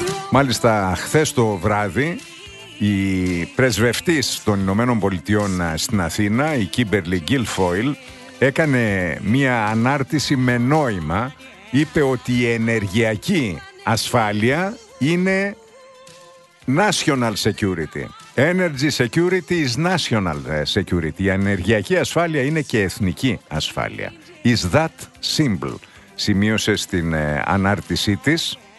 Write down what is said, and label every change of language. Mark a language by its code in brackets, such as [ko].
[el] Μάλιστα, χθες το βράδυ η πρεσβευτής των Ηνωμένων Πολιτειών στην Αθήνα, η Kimberly Guilfoyle, έκανε μία ανάρτηση με νόημα. Είπε ότι η ενεργειακή ασφάλεια είναι [en] National Security. Energy Security is National Security. [el] Η ενεργειακή ασφάλεια είναι και εθνική ασφάλεια. [en] Is that simple? [el] Σημείωσε στην ανάρτησή της.